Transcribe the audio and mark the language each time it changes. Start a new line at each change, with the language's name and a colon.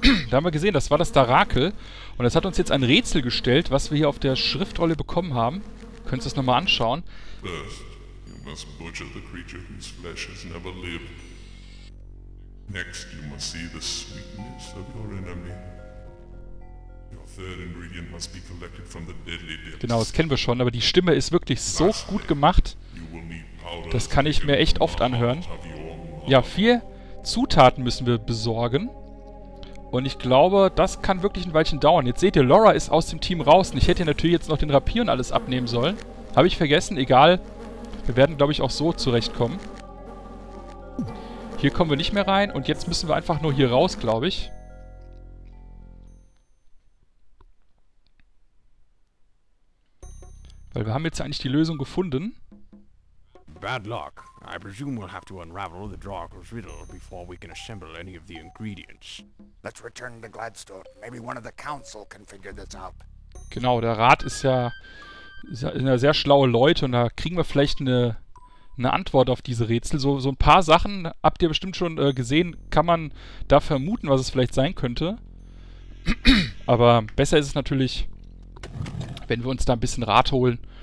German: Da haben wir gesehen, das war das Darakel. Und das hat uns jetzt ein Rätsel gestellt, was wir hier auf der Schriftrolle bekommen haben. Könntest du das nochmal anschauen?
English: First, you must butcher the creature whose flesh has never lived. Next, you must see the sweetness of your enemy. Your third ingredient must be collected from the deadly depths.
German: Genau, das kennen wir schon, aber die Stimme ist wirklich so gut gemacht. Das kann ich mir echt oft anhören. Ja, 4 Zutaten müssen wir besorgen. Und ich glaube, das kann wirklich ein Weilchen dauern. Jetzt seht ihr, Laura ist aus dem Team raus. Und ich hätte natürlich jetzt noch den Rapier und alles abnehmen sollen. Habe ich vergessen, egal. Wir werden, glaube ich, auch so zurechtkommen. Hier kommen wir nicht mehr rein. Und jetzt müssen wir einfach nur hier raus, glaube ich. Weil wir haben jetzt eigentlich die Lösung gefunden.
English: Bad luck. I presume we'll have to unravel the Draugr's riddle before we can assemble any of the ingredients. Let's return to Gladstone. Maybe one of the council can figure this out.
German: Genau, der Rat ist ja sehr schlaue Leute und da kriegen wir vielleicht eine Antwort auf diese Rätsel. So ein paar Sachen habt ihr bestimmt schon gesehen, kann man da vermuten, was es vielleicht sein könnte. Aber besser ist es natürlich, wenn wir uns da ein bisschen Rat holen.